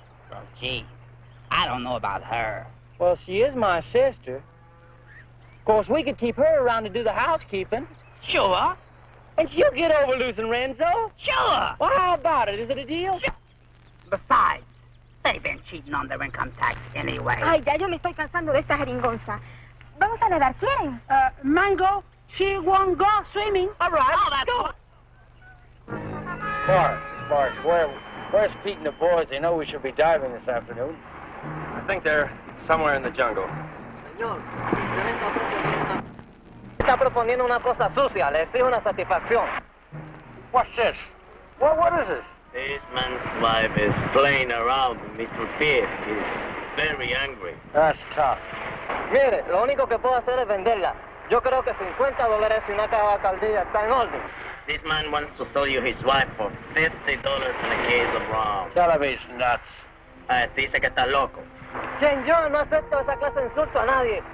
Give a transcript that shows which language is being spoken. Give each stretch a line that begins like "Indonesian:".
English: Well, gee, I don't know about her. Well, she is my sister. Of course, we could keep her around to do the housekeeping. Sure. And she'll get over losing Renzo. Sure. Well, how about it? Is it a deal? Sure. Besides, they've been cheating on their income tax anyway.
Spanish: Ay, ya yo me estoy cansando de esta jeringonza. Vamos a nadar, ¿quieren?
English: Mango, she won't go swimming. All right, oh, that's go. Mark, where's Pete and the boys? They know we should be diving this afternoon. I think they're somewhere in the jungle.
Spanish: Señor, Renzo. Está proponiendo una cosa sucia. Le exige una satisfacción.
English: What's this? What is this? This man's wife is playing around with Mr. Pierce. He's very angry. That's tough.
Spanish: Mire, lo único que puedo hacer es venderla. Yo creo que $50 y una caja caldilla está en orden.
English: This man wants to sell you his wife for $50 and a case of rum. Tell him he's nuts.
Spanish: Dice que está loco. Quien yo no acepto esa clase de insulto a nadie.